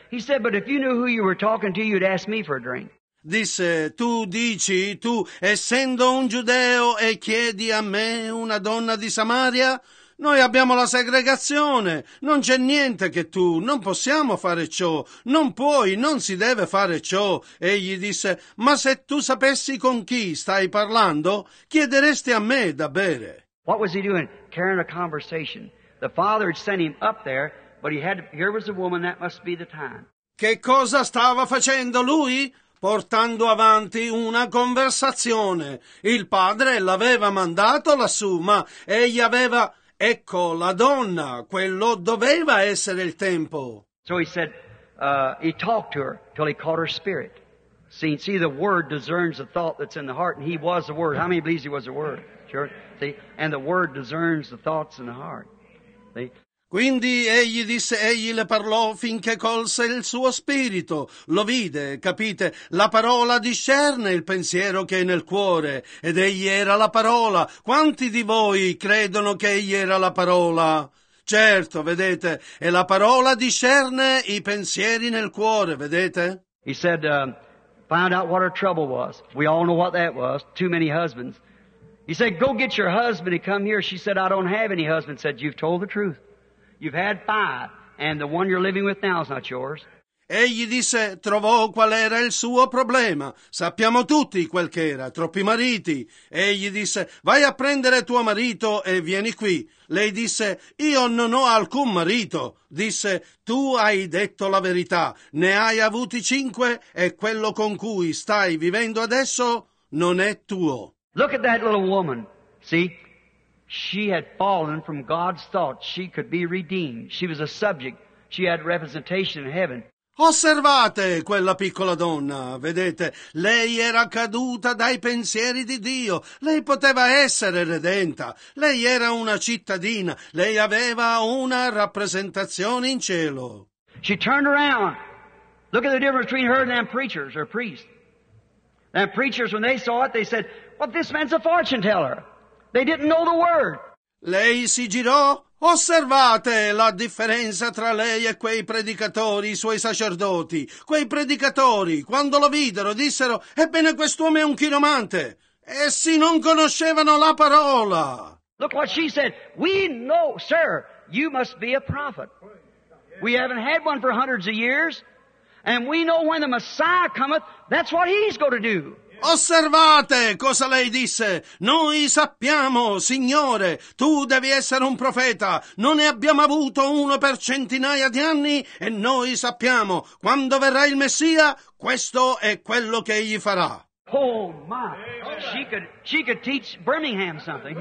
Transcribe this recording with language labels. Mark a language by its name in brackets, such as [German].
[English] He said, but if you knew who you were talking to, you'd ask me for a drink. [Italian] Disse, tu, essendo un giudeo e chiedi a me una donna di Samaria, noi abbiamo la segregazione, non c'è niente che tu, non possiamo fare ciò, non puoi, non si deve fare ciò. Egli disse, ma se tu sapessi con chi stai parlando, chiederesti a me da bere. [English] What was he doing? Carrying a conversation. The father had sent him up there, but here was a woman, that must be the time. [Italian] Che cosa stava facendo lui? Portando avanti una conversazione. Il padre l'aveva mandato lassù, ma egli aveva... Ecco la donna, quello doveva essere il tempo. [English] So he said, he talked to her till he caught her spirit. See, the word discerns the thought that's in the heart, and he was the word. How many believes he was the word? Sure. See, and the word discerns the thoughts in the heart. See? [Italian] Quindi egli disse, egli le parlò finché colse il suo spirito. Lo vide, capite? La parola discerne il pensiero che è nel cuore. Ed egli era la parola. Quanti di voi credono che egli era la parola? Certo, vedete, e la parola discerne i pensieri nel cuore, vedete? [English] He said, find out what her trouble was. We all know what that was. Too many husbands. He said, go get your husband and come here. She said, I don't have any husband. Said, you've told the truth. You've had five, and the one you're living with now is not yours. [Italian] Egli disse, trovò qual era il suo problema. Sappiamo tutti quel che era, troppi mariti. Egli disse, vai a prendere tuo marito e vieni qui. Lei disse, io non ho alcun marito. Disse, tu hai detto la verità. Ne hai avuti cinque, e quello con cui stai vivendo adesso non è tuo. [English] Look at that little woman, see? She had fallen from God's thought. She could be redeemed. She was a subject. She had representation in heaven. [Italian] Osservate quella piccola donna, vedete? Lei era caduta dai pensieri di Dio. Lei poteva essere redenta. Lei era una cittadina. Lei aveva una rappresentazione in cielo. [English] She turned around. Look at the difference between her and them preachers or priests. Them preachers, when they saw it, they said, "Well, this man's a fortune teller." They didn't know the word. [Italian] Lei si girò. Osservate la differenza tra lei e quei predicatori, i suoi sacerdoti. Quei predicatori, quando lo videro, dissero, ebbene, quest'uomo è un chiromante. Essi non conoscevano la parola. [English] Look what she said. We know, sir, you must be a prophet. We haven't had one for hundreds of years. And we know when the Messiah cometh, that's what he's going to do. Yeah. [Italian] Osservate cosa lei disse. Noi sappiamo, Signore, tu devi essere un profeta. Non ne abbiamo avuto uno per centinaia di anni e noi sappiamo, quando verrà il Messia, questo è quello che egli farà. [English] Oh my, she could teach Birmingham something.